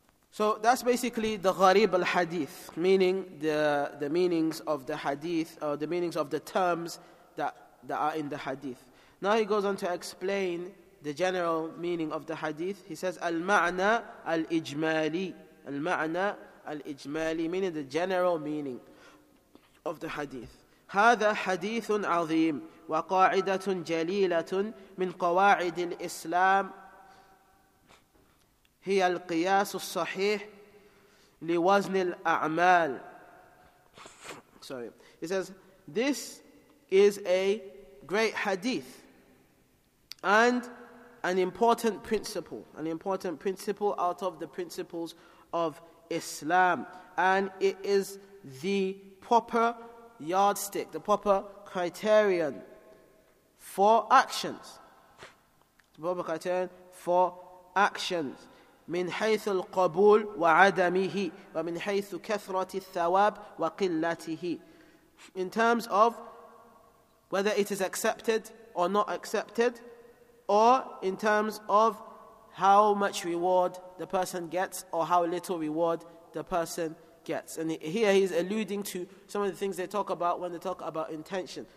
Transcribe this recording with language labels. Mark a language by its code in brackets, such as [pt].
[en] So that's basically the gharib al-hadith, meaning the meanings of the hadith, or the meanings of the terms that are in the hadith. Now he goes on to explain the general meaning of the hadith. He says, al-ma'na al-ijmali, al-ma'na al-ijmali, meaning the general meaning of the hadith. [ar] هذا حديث عظيم وقاعدة جليلة من قواعد الإسلام هي القياس الصحيح لوزن الأعمال. [en] Sorry, he says this is a great hadith and an important principle out of the principles of Islam, and it is the proper yardstick, the proper criterion for actions. The proper criterion for actions. [ar] من حيث القبول وعدمه ومن حيث كثرة الثواب وقلته. [en] In terms of whether it is accepted or not accepted, or in terms of how much reward the person gets or how little reward the person gets. And here he's alluding to some of the things they talk about when they talk about intention.